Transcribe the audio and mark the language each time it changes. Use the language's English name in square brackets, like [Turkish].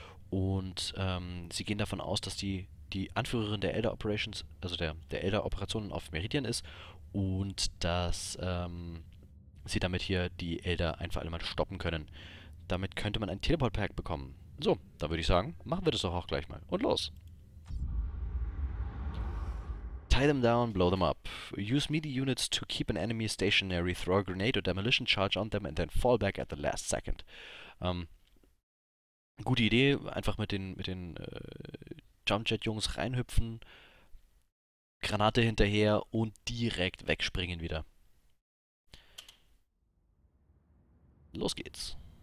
[German] Und sie gehen davon aus, dass die Anführerin der Elder Operations, also der Elder Operationen auf Meridian ist und dass sie damit hier die Elder einfach einmal stoppen können. Damit könnte man ein Teleport-Pack bekommen. So, da würde ich sagen, machen wir das doch auch gleich mal. Und los! [English] Tie them down, blow them up. Use melee units to keep an enemy stationary, throw a grenade or demolition charge on them and then fall back at the last second. [German] Gute Idee, einfach mit den Jumpjet-Jungs reinhüpfen, Granate hinterher und direkt wegspringen wieder. Los geht's.